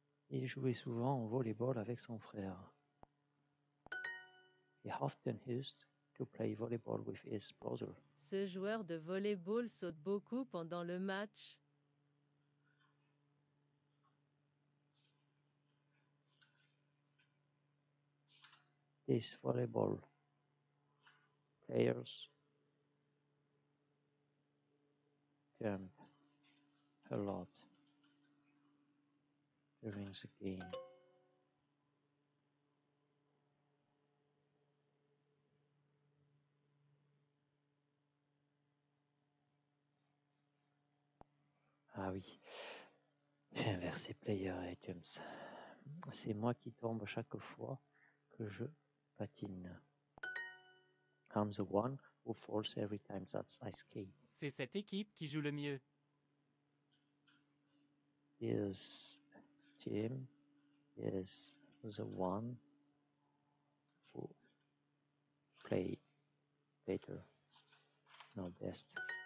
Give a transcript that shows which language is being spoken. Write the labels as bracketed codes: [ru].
[fr] Il jouait souvent au volleyball avec son frère. [en] He often used to play volleyball with his brother. [fr] Ce joueur de volleyball saute beaucoup pendant le match. [en] practice volleyball. Players jump a lot during the game. [fr] Ah oui, j'ai inversé player et jumps. C'est moi qui tombe chaque fois que je patine. [en] I'm the one who falls every time that I skate. [fr] C'est cette équipe qui joue le mieux. [en] This team is the one who play better, no best.